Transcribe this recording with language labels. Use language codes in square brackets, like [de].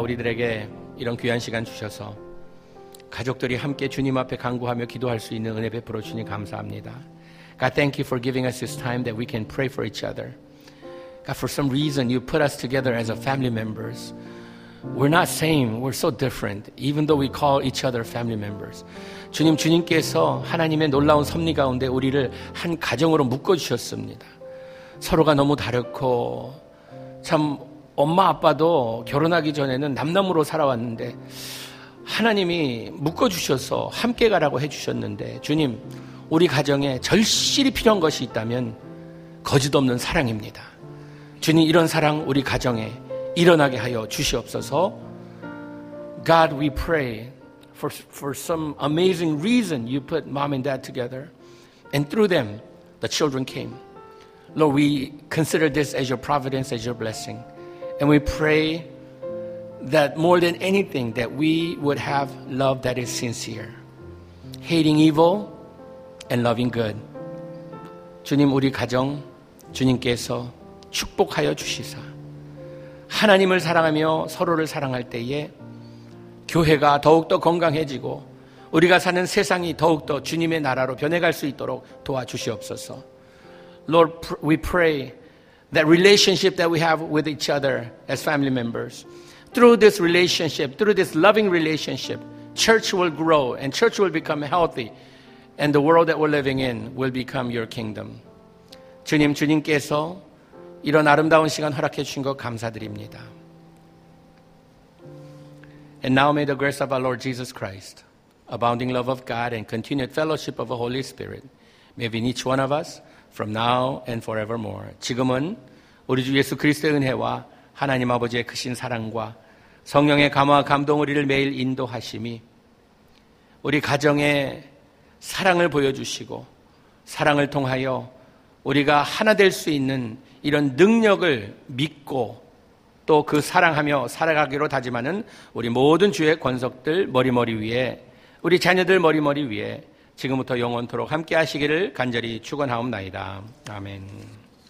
[ko] 우리들에게 이런 귀한 시간 주셔서 가족들이 함께 주님 앞에 간구하며 기도할 수 있는 은혜 베풀어 주님 감사합니다. [en] God, thank you for giving us this time that we can pray for each other. God, for some reason you put us together as a family members. We're not same. We're so different. Even though we call each other family members. [ko] 주님, 주님께서 하나님의 놀라운 섭리 가운데 우리를 한 가정으로 묶어 주셨습니다. 서로가 너무 다르고 참 엄마 아빠도 결혼하기 전에는 남남으로 살아왔는데 하나님이 묶어주셔서 함께 가라고 해주셨는데 주님 우리 가정에 절실히 필요한 것이 있다면 거짓 없는 사랑입니다. 주님 이런 사랑 우리 가정에 일어나게 하여 주시옵소서. [en] God, we pray for some amazing reason you put mom and dad together and through them the children came. Lord, we consider this as your providence, as your blessing. And we pray that more than anything that we would have love that is sincere. Hating evil and loving good. [ko] 주님 우리 가정 주님께서 축복하여 주시사 하나님을 사랑하며 서로를 사랑할 때에 교회가 더욱더 건강해지고 우리가 사는 세상이 더욱더 주님의 나라로 변해갈 수 있도록 도와주시옵소서. [en] Lord, we pray that relationship that we have with each other as family members, through this relationship, through this loving relationship, church will grow and church will become healthy and the world that we're living in will become your kingdom. [ko] 주님, 주님께서 이런 아름다운 시간 허락해 주신 것 감사드립니다. [en] And now may the grace of our Lord Jesus Christ, abounding love of God and continued fellowship of the Holy Spirit, may be in each one of us from now and forevermore. [ko] 지금은 우리 주 예수 그리스도의 은혜와 하나님 아버지의 크신 사랑과 성령의 감화와 감동 우리를 매일 인도하심이 우리 가정에 사랑을 보여주시고 사랑을 통하여 우리가 하나 될 수 있는 이런 능력을 믿고 또 그 사랑하며 살아가기로 다짐하는 우리 모든 주의 권속들 머리머리 위에 우리 자녀들 머리머리 위에 지금부터 영원토록 함께 하시기를 간절히 축원하옵나이다. 아멘.